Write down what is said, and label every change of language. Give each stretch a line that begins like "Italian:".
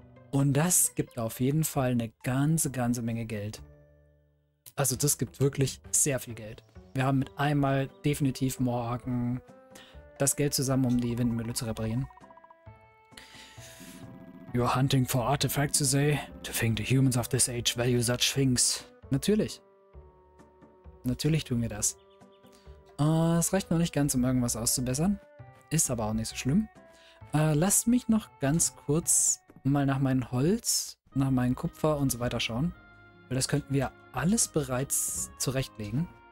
German: Und das gibt auf jeden Fall eine ganze, ganze Menge Geld. Also das gibt wirklich sehr viel Geld. Wir haben mit einmal definitiv morgen... das Geld zusammen, um die Windmühle zu reparieren.
English: You're hunting for artifacts, you say? To think the humans of this age value such things.
German: Natürlich. Natürlich tun wir das. Es reicht noch nicht ganz, um irgendwas auszubessern. Ist aber auch nicht so schlimm. Lasst mich noch ganz kurz mal nach meinem Holz, nach meinem Kupfer und so weiter schauen. Weil das könnten wir alles bereits zurechtlegen.